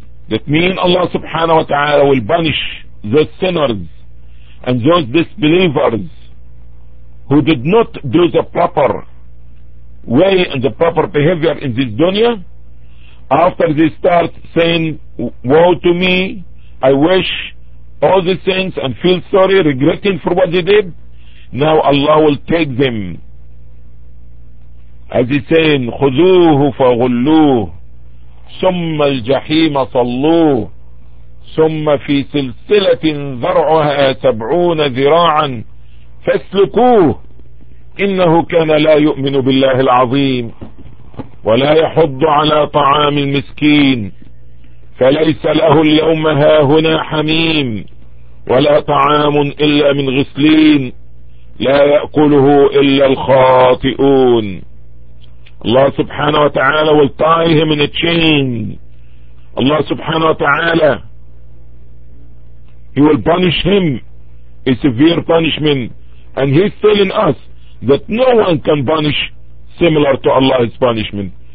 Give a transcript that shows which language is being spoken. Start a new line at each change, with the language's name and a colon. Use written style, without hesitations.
English: That means Allah subhanahu wa ta'ala will punish the sinners and those disbelievers who did not do the proper way and the proper behavior in this dunya. After they start saying, woe to me, I wish all these things and feel sorry, regretting for what they did, now Allah will take them. As he's saying,
Arabic: خُذُوهُ فَغُلُّوهُ ثُمَّ الْجَحِيمَ صَلُّوهُ ثُمَّ فِي سِلْسِلَةٍ ذَرْعُهَا سَبْعُونَ ذِرَاعًا فَاسْلُكُوهُ إِنَّهُ كَانَ لَا يُؤْمِنُ بِاللَّهِ الْعَظِيمِ ولا يحض على طعام المسكين فليس له اليوم هاهنا حميم ولا طعام إلا من غسلين لا يأكله إلا الخاطئون. الله سبحانه وتعالى
English: will tie him in a chain.
Arabic: الله سبحانه وتعالى
English: he will punish him a severe punishment, and he's telling us that no one can punish similar to Allah's punishment.